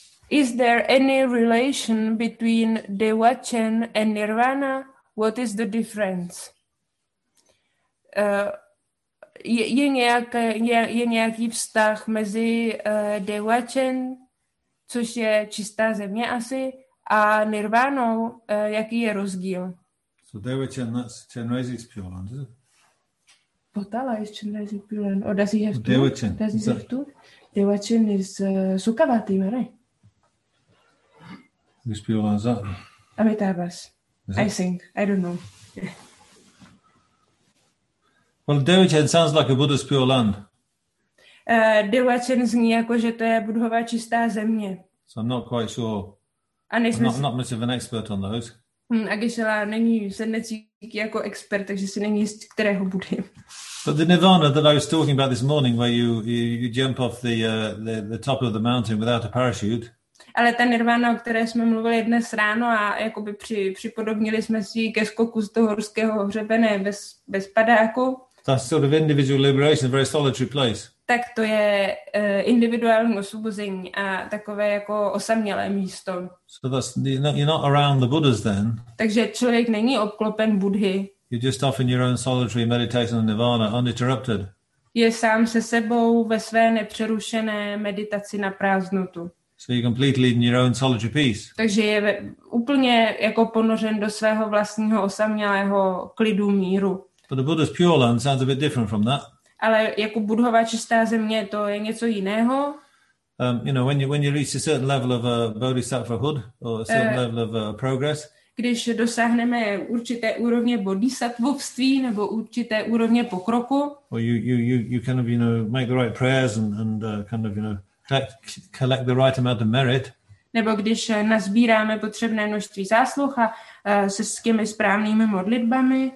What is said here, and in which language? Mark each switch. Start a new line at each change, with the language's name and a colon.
English: Is there any relation between Devachan and Nirvana? What is the difference?
Czech: Je nějaký vztah mezi Devachan, což je čistá země asi, a Nirvánou, jaký je rozdíl?
English: So Devachan, that's Chenrezig's Pure Land, is it? Potala is Chenrezig's Pure Land. Or does he have Devachan. Two? Does he have two? Devachan is Sukhavati, right? Which Pure Land is that? Amitabhas, I think. I don't know. Well, Devachan sounds like a Buddha's pure land.
Czech: Devachan zní jako, že to je Buddhova čistá země.
English: So I'm not quite sure. I'm not much of an expert on those.
Czech: Agishala není, se necítí jako expert, takže si není z kterého Buddhy.
English: But the Nirvana that I was talking about this morning, where you jump off the top of the mountain without a parachute.
Czech: Ale ta Nirvana, o které jsme mluvili dnes ráno a jakoby připodobnili jsme si ke skoku z toho ruského hřebene bez padáku.
English: That's sort of individual liberation, a very solitary place.
Czech: Tak to je individuální osvobození a takové jako osamělé místo.
English: So that's, you're not around the Buddhas then.
Czech: Takže člověk není obklopen Buddhy.
English: You're just off in your own solitary meditation on Nirvana, uninterrupted.
Czech: Je sám se sebou ve své nepřerušené meditaci na prázdnotu.
English: So you're completely in your own solitary peace.
Czech: Takže je úplně jako ponořen do svého vlastního osamělého klidu míru.
English: But the Buddha's pure land sounds a bit different from that.
Czech: Ale jako Buddhova čistá země, to je něco jiného.
English: You know, when you reach a certain level of a bodhisattvahood or a certain level of progress.
Czech: Když dosáhneme určité úrovně bodhisattvovství nebo určité úrovně pokroku.
English: Or you kind of, you know, make the right prayers kind of, you know, collect the right amount of merit.
Czech: Nebo když nasbíráme potřebné množství zásluh a se s těmi správnými modlitbami.